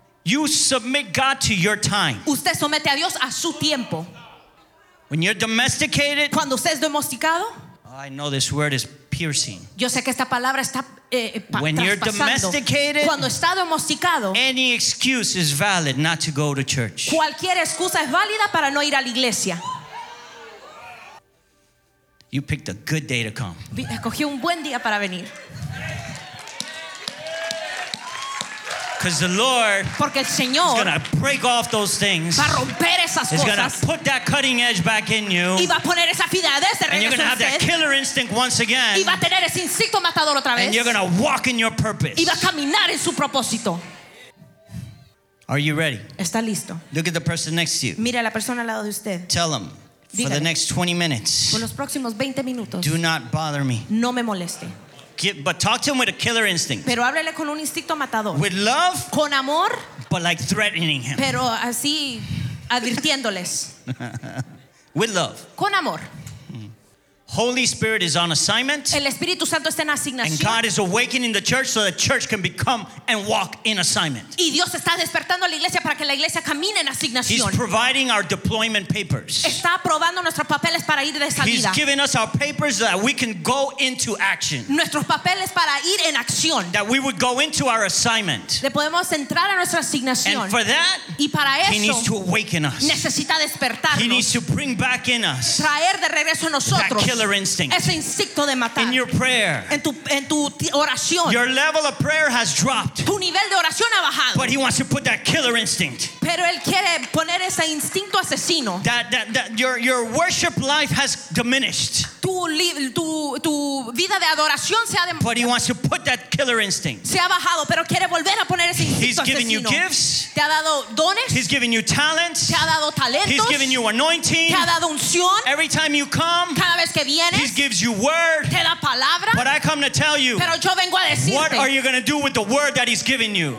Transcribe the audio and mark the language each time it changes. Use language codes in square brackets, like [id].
[en] You submit God to your time. [es] Usted somete a Dios a su tiempo. [en] When you're domesticated. [es] Cuando usted es domesticado. [en] I know this word is piercing. [es] Yo sé que esta palabra está [en] when you're domesticated, [es] cuando está domesticado, [en] any excuse is valid not to go to church. [es] Cualquier excusa es válida para no ir a la iglesia. [en] You picked a good day to come. [es] Escogió un buen día para venir. [en] Because the Lord is going to break off those things. [es] Va a romper esas [en] he's going to put that cutting edge back in you. [es] Y va a poner esa afiladez de [en] and you're going to have [es] sed. [en] That killer instinct once again. [es] Y va a tener ese instinto matador otra vez. [en] And you're going to walk in your purpose. [es] Y va a caminar en su propósito. [en] Are you ready? [es] Está listo. [en] Look at the person next to you. [es] Mira la persona al lado de usted. [en] Tell them. [es] Dígale, [en] for the next 20 minutes. [es] Por los próximos 20 minutos, [en] do not bother me. [es] No me moleste. [en] But talk to him with a killer instinct. [es] Pero háblele con un instinto matador. [en] With love. [es] Con amor. [en] But like threatening him. [es] Pero así advirtiéndoles. [en] With love. [es] Con amor. [en] Holy Spirit is on assignment. [es] El Espíritu Santo está en asignación. [en] And God is awakening the church so the church can become and walk in assignment. [es] Y Dios está despertando a la iglesia para que la iglesia camine en asignación. [en] He's providing our deployment papers. [es] Está aprobando nuestros papeles para ir de salida. [en] He's giving us our papers that we can go into action. [es] Nuestros papeles para ir en acción. [en] That we would go into our assignment. [es] Le podemos entrar a nuestra asignación. [en] And for that, [es] y para eso, [en] he needs to awaken us. [es] Necesita despertarnos. [en] He needs to bring back in us. [es] Traer de regreso a nosotros. [en] Instinct. In your prayer. [es] En tu oración. [en] Your level of prayer has dropped. [es] Tu nivel de oración ha bajado. [en] But he wants to put that killer instinct. [es] Pero él quiere poner ese instinto asesino. [en] That your worship life has diminished. [es] Tu vida de adoración se ha de, [en] but he wants to put that killer instinct. [es] Se ha bajado, pero quiere volver a poner ese instinto asesino. [en] He's given you gifts. [es] Te ha dado dones. [en] He's given you talents. [es] Te ha dado talentos. [en] He's given you anointing. [es] Te ha dado unción. [en] Every time you come. [es] Cada vez que vienes, [en] he gives you word. [es] Te da palabra. [en] But I come to tell you. [es] Pero yo vengo a decirte, [en] what are you going to do with the word that he's given you?